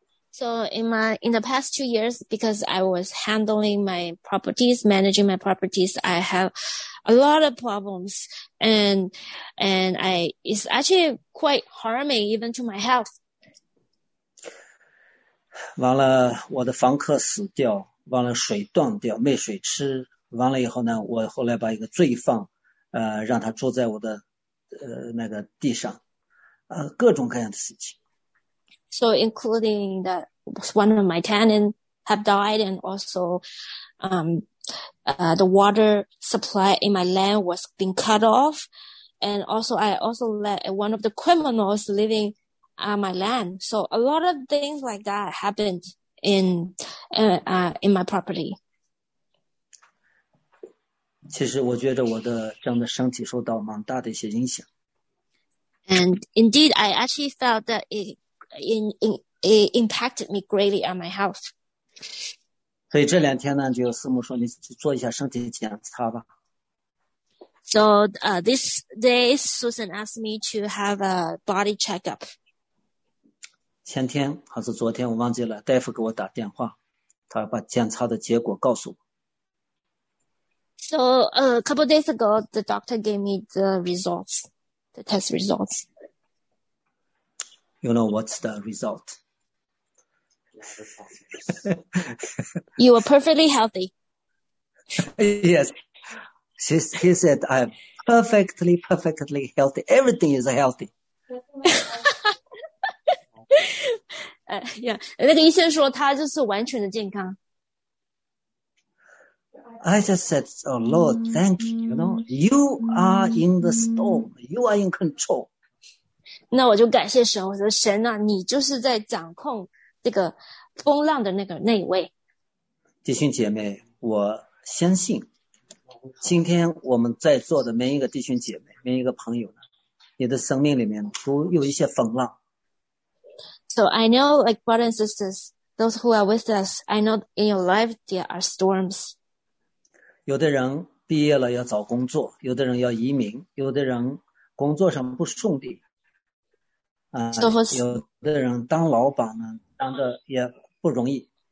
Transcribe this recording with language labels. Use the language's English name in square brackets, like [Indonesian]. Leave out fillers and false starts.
[English] So in the past 2 years, because I was handling my properties, managing my properties, I have a lot of problems, and I it's actually quite harming even to my health. [Chinese] 完了，我的房客死掉，完了水断掉，没水吃。完了以后呢，我后来把一个罪犯，让他住在我的，那个地上，各种各样的事情。 [English] So including that one of my tenants have died, and also, the water supply in my land was being cut off, and also I also let one of the criminals living.My land. So a lot of things like that happened in in my property. [Chinese] 其实我觉得我的这样的身体受到蛮大的一些影响。 [English] And indeed, I actually felt that it impacted me greatly at my health. [Chinese] 所以这两天呢，就师母说你去做一下身体检查吧。 [English] So, this day, Susan asked me to have a body checkup. [Chinese] 前天还是昨天，我忘记了，大夫给我打电话，他把检查的结果告诉我。 [English] So, a couple of days ago, the doctor gave me the results, the test results. You know what's the result? You were perfectly healthy. Yes. He said, I'm perfectly, perfectly healthy. Everything is healthy. [Chinese] 那个医生说他就是完全的健康。 [English] I just said, oh Lord, thank you. You know, you are in the storm. You are in control. [Chinese] 那我就感谢神，我说神啊，你就是在掌控这个风浪的那位。弟兄姐妹，我相信今天我们在座的每一个弟兄姐妹，每一个朋友呢，你的生命里面都有一些风浪。 [English] So I know, like brothers and sisters, those who are with us, I know in your life there are storms. [Chinese] 有的人毕业了要找工作，有的人要移民，有的人工作上不顺利。有的人当老板呢，当的也不容易。